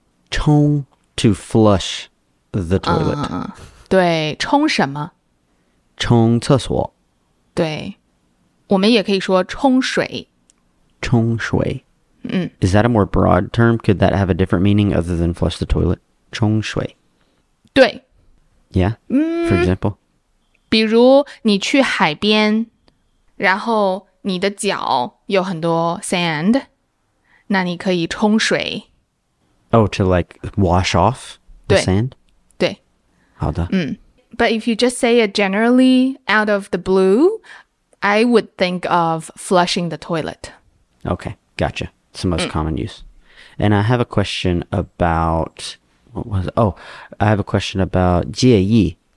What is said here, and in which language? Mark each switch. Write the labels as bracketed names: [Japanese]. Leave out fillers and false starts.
[English] 冲, to flush the toilet. [Chinese] 对,冲什么? 冲厕所。对,我们也可以说冲水。冲水。 [English] Is that a more broad term? Could that have a different meaning other than flush the toilet? [Chinese] 冲水。对。 [English] Yeah, for example. [Chinese] 比如你去海边,然后你的脚有很多 sand, 那你可以冲水。 [English] Oh, to like wash off the sand? [Chinese] 对。好的。 [English] But if you just say it generally out of the blue, I would think of flushing the toilet. Okay, gotcha. It's the most common use. And I have a question about, what was it? Oh, I have a question about 介意.